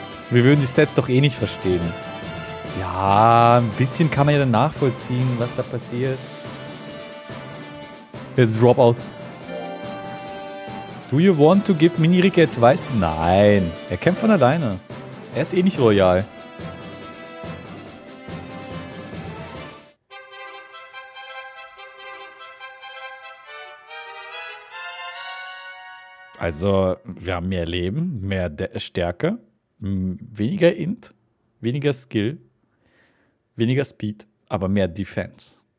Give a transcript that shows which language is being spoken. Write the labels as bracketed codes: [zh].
[de] Wir würden die Stats doch eh nicht verstehen. Ja, ein bisschen kann man ja dann nachvollziehen, was da passiert. Jetzt Dropout. [en] Do you want to give Mini Ricky advice? [de] Nein, er kämpft von alleine. Er ist eh nicht royal. Also, wir haben mehr Leben, mehr Stärke, weniger Int, weniger Skill, weniger Speed, aber mehr Defense.